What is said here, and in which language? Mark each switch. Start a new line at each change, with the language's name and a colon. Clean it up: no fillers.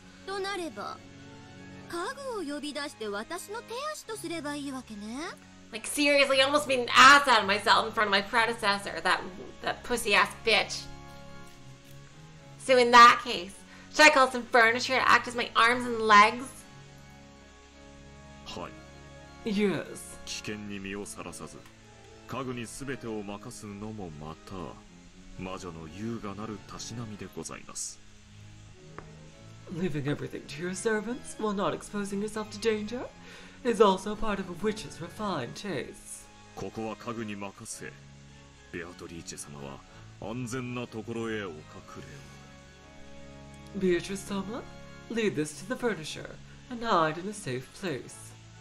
English: Like seriously, I almost made an ass out of myself in front of my predecessor, that pussy-ass bitch. So in that case, should I call some furniture to act as my arms and legs?
Japanese: はい。
English: Yes.
Japanese: 危険に身をさらさず、家具にすべてを任すのもまた、魔女の優雅なるたしなみでございます。
English: Leaving everything to your servants while not exposing yourself to danger is also part of a witch's refined taste.
Japanese: ここは家具に任せ、ベアトリーチェ様は安全なところへお隠れを。
English: Beatrice Soma, lead this to the furnisher and hide in a safe place.